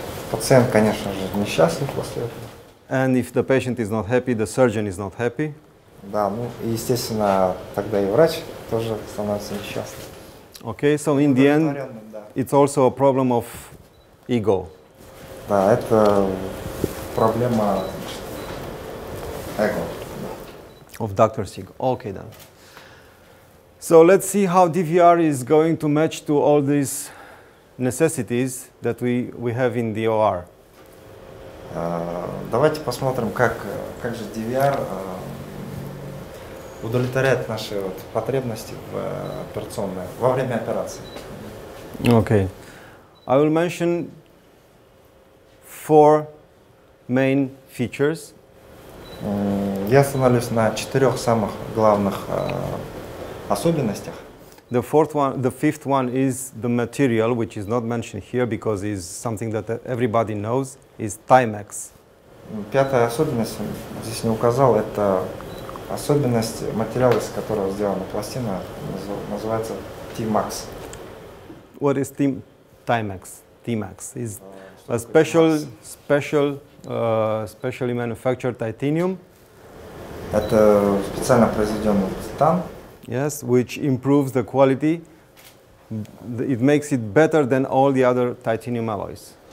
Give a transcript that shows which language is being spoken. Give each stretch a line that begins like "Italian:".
Russian: Пациент, конечно же, несчастлив после этого.
English: And if the patient is not happy, the surgeon is not happy.
Russian: Да, ну и естественно тогда и врач тоже становится несчастным.
English: Okay, so in the end, it's also a problem of ego.
Russian: Да, это проблема эго.
English: Of Dr. Sig. Okay, then. So let's see how DVR is going to match to all these necessities that we have in the OR.
Russian: Давайте посмотрим, как же DVR удовлетворяет наши вот потребности в операционной во время операции.
English: Okay. I will mention four main features.
Russian: Я остановлюсь на четырех самых главных особенностях.
English: The fifth one is the material, which is not mentioned here because it's something that everybody knows, is Timex.
Russian: Пятая особенность здесь не указал, это особенность материала, из которого сделана пластина, называется Timex.
English: What is Timex? Timex is a specially manufactured titanium.
Russian: Это специально произведённый титан.
English: Yes, which improves the quality. It makes it better than all the other titanium alloys.